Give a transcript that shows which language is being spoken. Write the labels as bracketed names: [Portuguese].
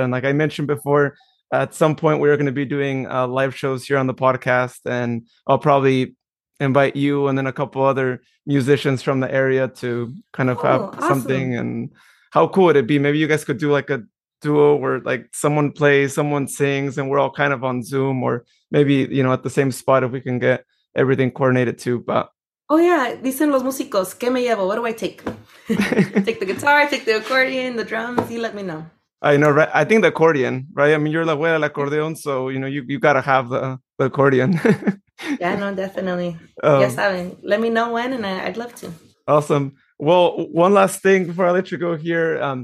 [English] And like I mentioned before, at some point we are going to be doing live shows here on the podcast, and I'll probably invite you and then a couple other musicians from the area to kind of have something. And how cool would it be? Maybe you guys could do like a duo where like someone plays, someone sings, and we're all kind of on Zoom, or maybe, you know, at the same spot if we can get everything coordinated too. But [Spanish] dicen los músicos, ¿qué me llevo? [English] What do I take? Take the guitar, take the accordion, the drums, you let me know. I know, right? I think the accordion, right? I mean, you're [Spanish] la abuela del acordeón, [English] so you know, you gotta have the accordion. Yeah, no, definitely. Yes, Evan, let me know when, and I'd love to. Awesome. Well, one last thing before I let you go here.